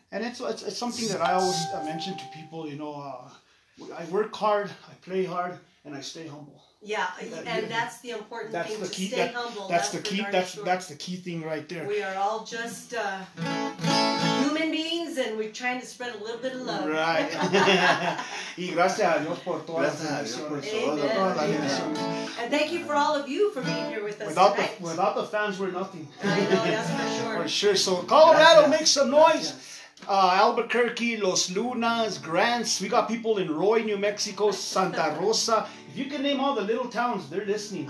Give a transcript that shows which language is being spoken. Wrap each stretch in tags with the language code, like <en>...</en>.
<en>And it's something that I always mention to people, you know, I work hard, I play hard, and I stay humble. That's the important thing, to stay humble. That's the key thing right there. We are all just human beings, and we're trying to spread a little bit of love. Right.</en> <es>Y gracias a Dios por todas las bendiciones.</es> <en>Amen. And thank you for all of you for being here with us tonight. Without the fans, we're nothing. I know, that's for sure. For sure. So Colorado, gracias. Make some noise. Gracias. Albuquerque, Los Lunas, Grants. We got people in Roy, New Mexico, Santa Rosa. If you can name all the little towns, they're listening.</en>